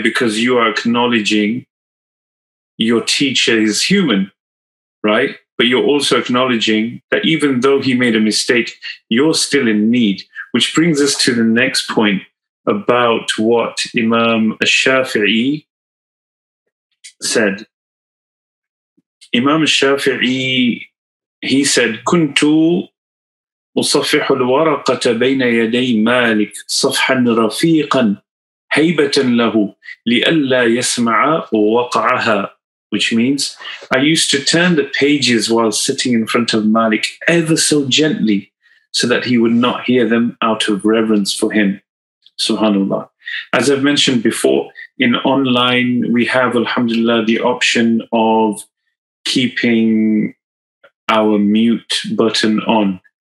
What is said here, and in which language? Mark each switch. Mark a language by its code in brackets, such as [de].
[en] Because you are acknowledging your teacher is human, right? But you're also acknowledging that even though he made a mistake, you're still in need. Which brings us to the next point about what Imam Ash-Shafi'i said. [ar] Imam Ash-Shafi'i, [en] he said, [ar] "Kuntu أصفح الورقة بين يدي مالك صفحا رفيقا هيبة له لئلا يسمع وقعها." [en] Which means, I used to turn the pages while sitting in front of Malik ever so gently so that he would not hear them out of reverence for him. Subhanallah. As I've mentioned before, in online we have, alhamdulillah, the option of keeping our mute button on.